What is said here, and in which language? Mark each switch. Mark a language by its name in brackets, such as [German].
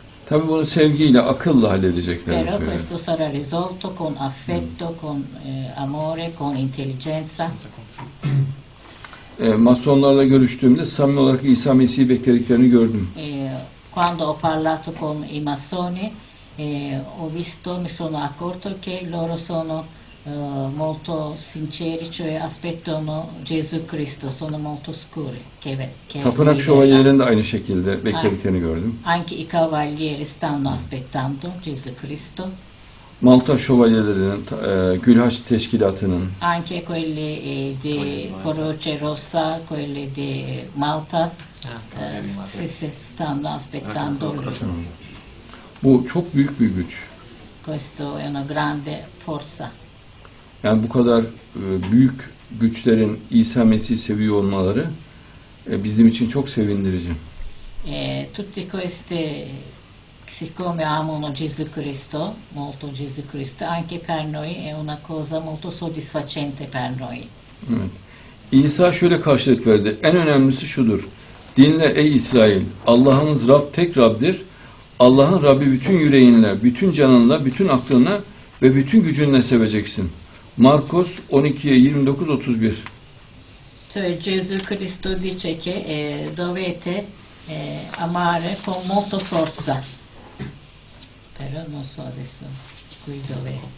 [Turkish] Tabii bunu sevgiyle, akılla halledecekler. [Italian] Però questo sarà risolto con affetto, con amore, con intelligenza. [Turkish] Masonlarla görüştüğümde samimi olarak İsa Mesih'i beklediklerini gördüm. [Italian] Quando ho parlato con i massoni, ho visto, mi sono accorto che loro sono molto sinceri, cioè aspettano Gesù Cristo, sono molto sicuri. [Turkish] Tapınak şövalyelerini de aynı şekilde beklediklerini gördüm. [Italian] Anche i cavalieri stanno aspettando Gesù Cristo. [Turkish] Malta Şövalyelerinin, Gülhaç Teşkilatı'nın. [Italian] Anche quelli di Croce Rossa, quelli di Malta, si stanno aspettando. [Turkish] Bu çok büyük bir güç. [Italian] Questo è una grande forza. [Turkish] Yani bu kadar büyük güçlerin İsa Mesih'i seviyor olmaları bizim için çok sevindirici. [Italian] Tutti questi, siccome amano Gesù Cristo, molto Gesù Cristo, anche per noi è una cosa molto soddisfacente per noi. [Turkish] İsa şöyle karşılık verdi. En önemlisi şudur. Dinle ey İsrail, Allah'ınız Rab, tek Rab'dir. Allah'ın Rabbi bütün yüreğinle, bütün canınla, bütün aklınla ve bütün gücünle seveceksin. [Italian] Marcos 12:29-31. Gesù Cristo dice che dovete amare con molta forza. Però non so adesso qui dove.